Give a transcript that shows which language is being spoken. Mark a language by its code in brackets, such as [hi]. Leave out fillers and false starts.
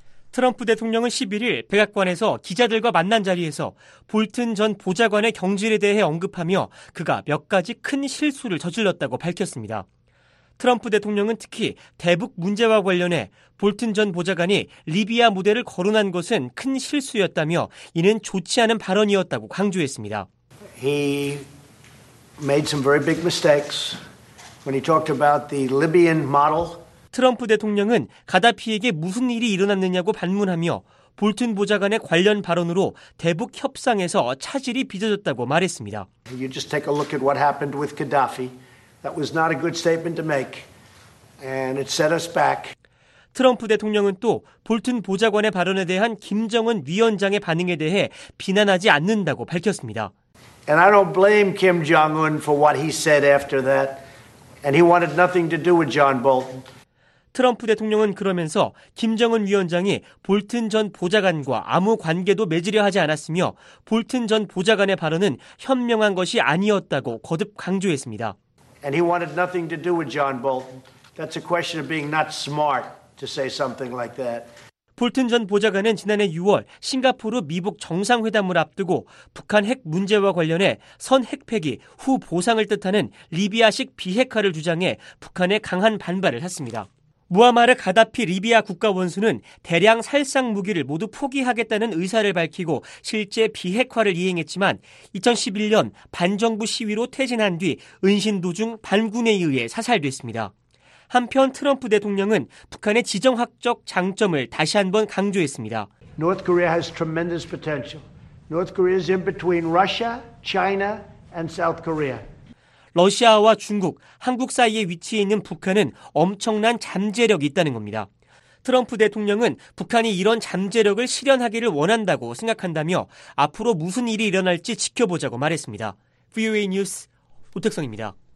[ko] 트럼프 대통령은 11일 백악관에서 기자들과 만난 자리에서 볼튼 전 보좌관의 경질에 대해 언급하며 그가 몇 가지 큰 실수를 저질렀다고 밝혔습니다. 트럼프 대통령은 특히 대북 문제와 관련해 볼튼 전 보좌관이 리비아 모델을 거론한 것은 큰 실수였다며 이는 좋지 않은 발언이었다고 강조했습니다. [en] He made some very big mistakes when he talked about the Libyan model. [ko] 트럼프 대통령은 가다피에게 무슨 일이 일어났느냐고 반문하며 볼튼 보좌관의 관련 발언으로 대북 협상에서 차질이 빚어졌다고 말했습니다. [en] You just take a look at what happened with Gaddafi. That was not a good statement to make. And it set us back. [ko] 트럼프 대통령은 또 볼튼 보좌관의 발언에 대한 김정은 위원장의 반응에 대해 비난하지 않는다고 밝혔습니다. [en] And I don't blame Kim Jong-un for what he said after that. And he wanted nothing to do with John Bolton. [ko] 트럼프 대통령은 그러면서 김정은 위원장이 볼튼 전 보좌관과 아무 관계도 맺으려 하지 않았으며 볼튼 전 보좌관의 발언은 현명한 것이 아니었다고 거듭 강조했습니다. [en] And he wanted nothing to do with John Bolton. That's a question of being not smart to say something like that. [ko] 볼튼 전 보좌관은 지난해 6월 싱가포르 미북 정상회담을 앞두고 북한 핵 문제와 관련해 선 핵폐기 후 보상을 뜻하는 리비아식 비핵화를 주장해 북한에 강한 반발을 했습니다. 무아마르 가다피 리비아 국가 원수는 대량 살상 무기를 모두 포기하겠다는 의사를 밝히고 실제 비핵화를 이행했지만 2011년 반정부 시위로 퇴진한 뒤 은신 도중 반군에 의해 사살됐습니다. 한편 트럼프 대통령은 북한의 지정학적 장점을 다시 한번 강조했습니다. [en] North Korea has tremendous potential. North Korea is in between Russia, China, and South Korea. [ko] 러시아와 중국, 한국 사이에 위치해 있는 북한은 엄청난 잠재력이 있다는 겁니다. 트럼프 대통령은 북한이 이런 잠재력을 실현하기를 원한다고 생각한다며 앞으로 무슨 일이 일어날지 지켜보자고 말했습니다. VOA 뉴스 오택성입니다.